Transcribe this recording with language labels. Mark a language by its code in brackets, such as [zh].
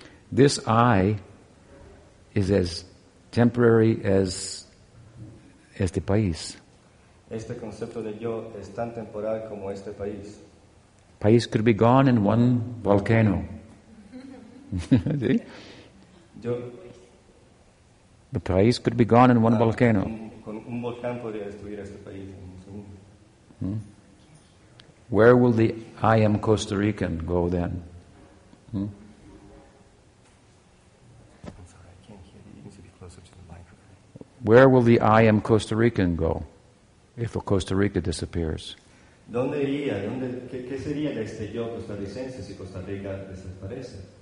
[en] This I is as temporary as [es] este país. Este concepto de yo es tan temporal como este país. [en] País could be gone in one volcano. ¿Sí? [es] Yo. [en] The país could be gone in one volcano. [es] Un volcán podría destruir este país en un segundo. [en] Where will the I am Costa Rican go then? I'm sorry, I can't hear you. You need to be closer to the microphone. Where will the I am Costa Rican go if a Costa Rica disappears? [es] ¿Dónde iría? ¿Dónde, qué sería de este yo costarricense si Costa Rica desaparece?